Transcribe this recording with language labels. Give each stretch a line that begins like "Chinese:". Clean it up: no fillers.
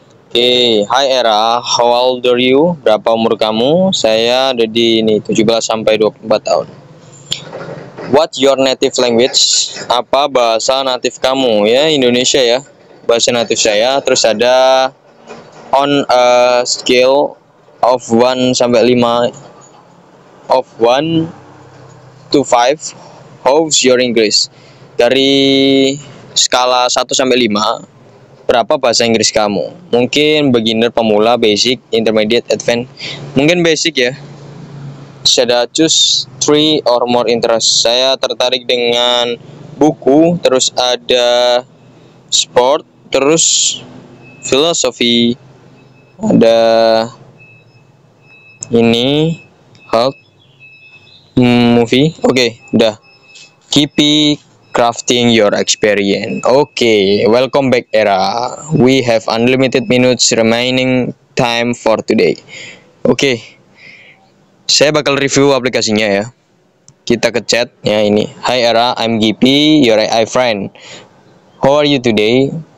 English: Oke, hi Era, how old are you?
Indonesian: Berapa umur kamu? Saya ada di ini 17 sampai 24 tahun.
English: What's your native language?
Indonesian: Apa bahasa natif kamu? Ya, Indonesia ya. Bahasa natif saya. Terus ada
English: on a scale of 1 sampai 5 of 1 to 5, how's your English?
Indonesian: Dari skala 1 sampai 5 berapa bahasa Inggris kamu? Mungkin beginner, pemula, basic, intermediate, advanced. Mungkin basic ya. Saya
English: choose 3 or more interest.
Indonesian: Saya tertarik dengan buku, terus ada sport, terus philosophy, ada ini health, movie. Oke, udah.
English: Keep it crafting your experience. Okay, welcome back Era. We have unlimited minutes remaining time for today.
Indonesian: Okay, saya bakal review aplikasinya ya. Kita ke chat ya ini.
English: Hi Era, I'm GP, your AI friend. How are you today?